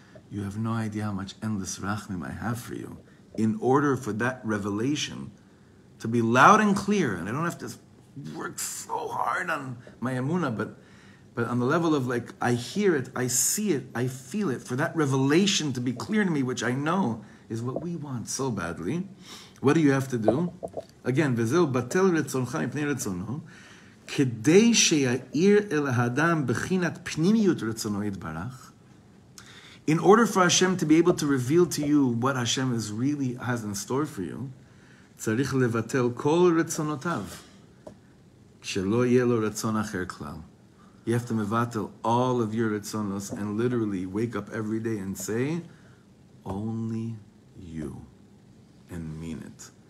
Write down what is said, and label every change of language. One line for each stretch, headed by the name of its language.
English: You have no idea how much endless rachmim I have for you. In order for that revelation to be loud and clear, and I don't have to work so hard on my emunah, but on the level of like, I hear it, I see it, I feel it, for that revelation to be clear to me, which I know is what we want so badly, what do you have to do? Again,
Hebrew: v'zeu batel retzoncha mipnei retzono, כדי שיעיר אל האדם בחינת פנימיות רצונו יתברך.
English: In order for Hashem to be able to reveal to you what Hashem is really has in store for you,
Hebrew: צריך לבטל כל רצונותיו, שלא יהיה לו רצון אחר כלל.
English: You have to mevatel all of your רצונות and literally wake up every day and say, only you, and mean it.